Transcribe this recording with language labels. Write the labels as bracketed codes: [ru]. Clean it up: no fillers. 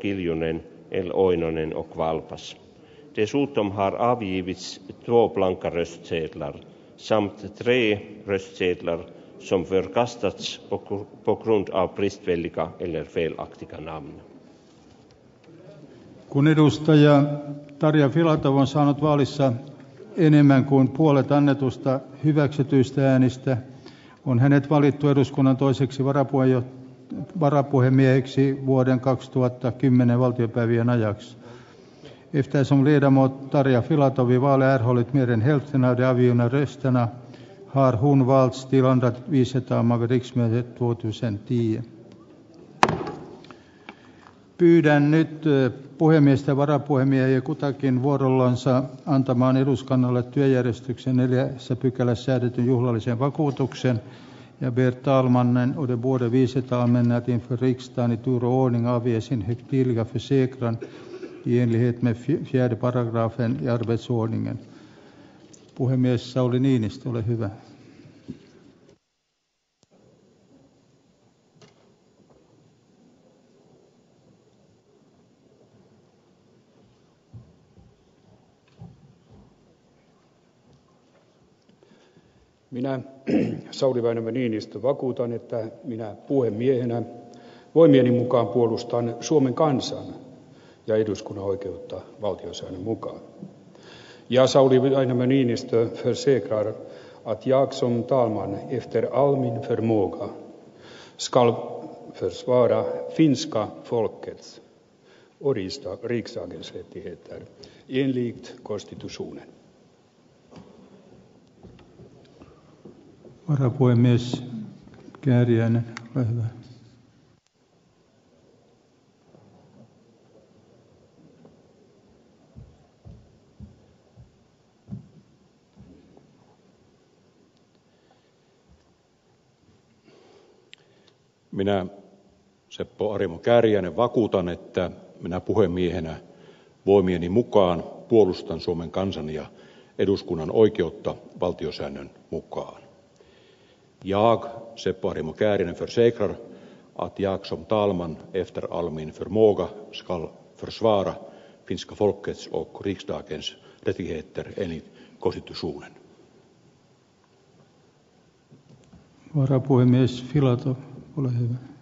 [sv] Kiljunen, L. Oinonen och Valpas. Dessutom har avgivits 2 blanka röstsedlar samt 3 röstsedlar som förkastats på grund av bristfälliga eller felaktiga namn. [fi] Kun edustaja Tarja Filatov on saanut vaalissa enemmän kuin puolet annetusta hyväksytyistä äänistä, on hänet valittu eduskunnan toiseksi varapuhemieheksi vuoden 2010 valtiopäivien ajaksi. [sv] Eftersom ledamot Tarja Filatov i valet erhållit mer än hälften av de avgivna rösterna har hon valts till andra vice talman vid riksmötet 2010. [fi] Pyydän nyt puhemiestä ja varapuhemiehiä kutakin vuorollansa antamaan eduskunnalle työjärjestyksen 4. pykälässä säädetyn juhlallisen vakuutuksen [sv] Ja Bert Talmannen och de båda vice talmännen att inför riksdagen i tur och ordning avge sin högtidliga försäkran i enlighet med 4 § i arbetsordningen. [fi] Puhemies Sauli Niinistö, ole hyvä. Minä, Sauli Väinämö Niinistö, vakuutan, että minä puhemiehenä voimieni mukaan puolustan Suomen kansan ja eduskunnan oikeutta valtiosäännön mukaan. [sv] Ja Sauli Väinämö Niinistö försäkrar att jag som talman efter all min förmåga skall försvara finska folkets och riksdagens rättigheter enligt konstitutionen. [fi] Varapuhemies Kääriäinen, ole hyvä. Minä, Seppo Arimo Kääriäinen, vakuutan, että minä puhemiehenä voimieni mukaan puolustan Suomen kansan ja eduskunnan oikeutta valtiosäännön mukaan. [sv] Jag, Seppo Arimo Kääriäinen, försäkrar att jag som talman efter all min förmåga skall försvara finska folkets och riksdagens rättigheter enligt konstitutionen. [fi] Varapuhemies Filatov, ole hyvä.